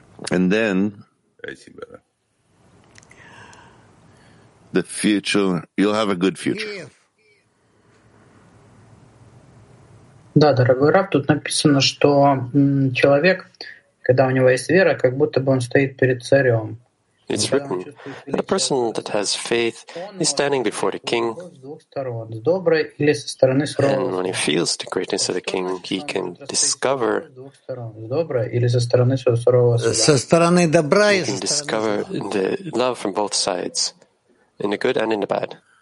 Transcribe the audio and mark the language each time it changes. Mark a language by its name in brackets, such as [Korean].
[English] And then the future, you'll have a good future. [Russian] Да, дорогой Рав, тут написано, что человек, когда у него есть вера, как будто бы он стоит перед царем. [English] It's written that a person that has faith is standing before the king. And when he feels the greatness of the king, he can discover the love from both sides, in the good and in the bad.